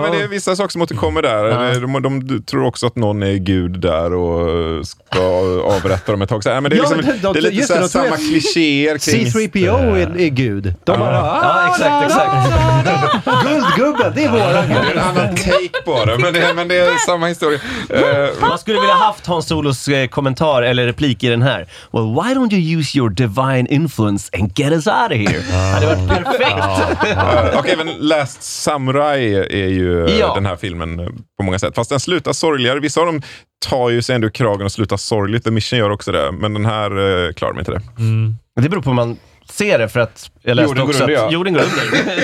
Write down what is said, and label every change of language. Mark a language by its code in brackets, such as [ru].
[sv] Men det är vissa saker som återkommer där. De tror också att någon är gud där och ska avrätta dem ett tag. Så, men det är liksom, det är lite så här samma klischéer kring... C-3PO är gud. De bara, exakt. Guldgubben, det är våra gud. Det är en annan take på det, men det är samma historia. Man skulle vilja haft Han Solos kommentar eller replik i den här. [en] Well, why don't you use your divine influence and get us out of here? [sv] Det hade varit perfekt. Okej, men Last Samurai är ju den här filmen på många sätt. Fast den slutar sorgligare. Vissa av dem tar ju sig ändå kragen och slutar sorgligt. The Mission gör också det. Men den här klarar mig inte det. Mm. Det beror på om man ser det, för att jag läste jorden också under, att jorden går under.